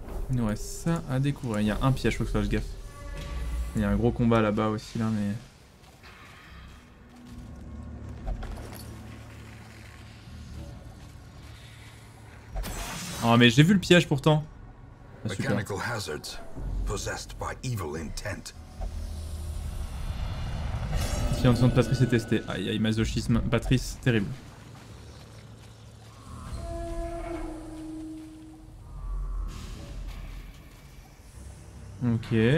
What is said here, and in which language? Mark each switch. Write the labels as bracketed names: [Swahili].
[French] Il nous reste ça à découvrir. Il y a un piège, faut que je fasse gaffe. Il y a un gros combat là-bas aussi, là, mais... Oh mais j'ai vu le piège pourtant. [English] Mechanical hazards possessed by evil intent. [French] Science de Patrice est testée. Aïe aïe masochisme. Patrice, terrible. Ok.